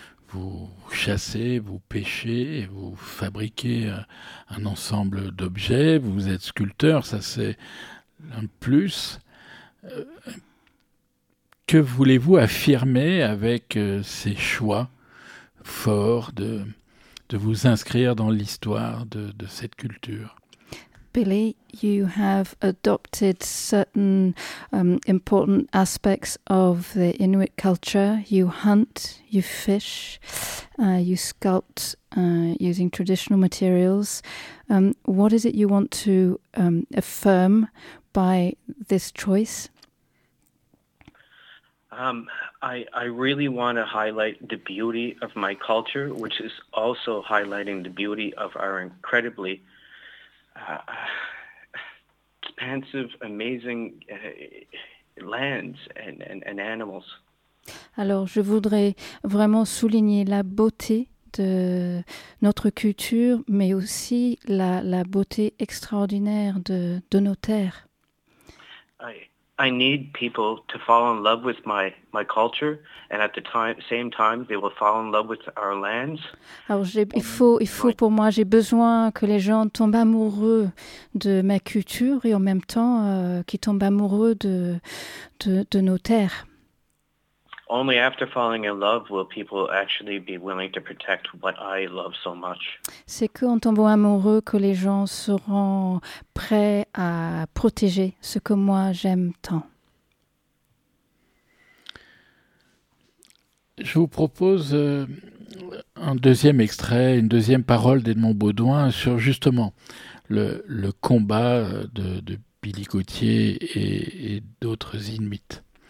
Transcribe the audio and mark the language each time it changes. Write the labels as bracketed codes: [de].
[fr] Vous chassez, vous pêchez, vous fabriquez un ensemble d'objets. Vous êtes sculpteur, ça c'est un plus. Que voulez-vous affirmer avec ces choix forts de vous inscrire dans l'histoire de cette culture ? [en] Billy, you have adopted certain important aspects of the Inuit culture. You hunt, you fish, you sculpt using traditional materials. What is it you want to affirm by this choice? I really want to highlight the beauty of my culture, which is also highlighting the beauty of our incredibly expansive, amazing lands and animals. [fr] Alors, je voudrais vraiment souligner la beauté de notre culture, mais aussi la beauté extraordinaire de nos terres. [en] I need people to fall in love with my culture, and at the same time, they will fall in love with our lands. [fr] Alors, il faut pour moi, j'ai besoin que les gens tombent amoureux de ma culture et en même temps qu'ils tombent amoureux de nos terres. [en] Only after falling in love will people actually be willing to protect what I love so much. [fr] C'est qu'en tombant amoureux que les gens seront prêts à protéger ce que moi j'aime tant. Je vous propose un deuxième extrait, une deuxième parole d'Edmond Baudouin sur justement le combat de Billy Gauthier et d'autres Inuits.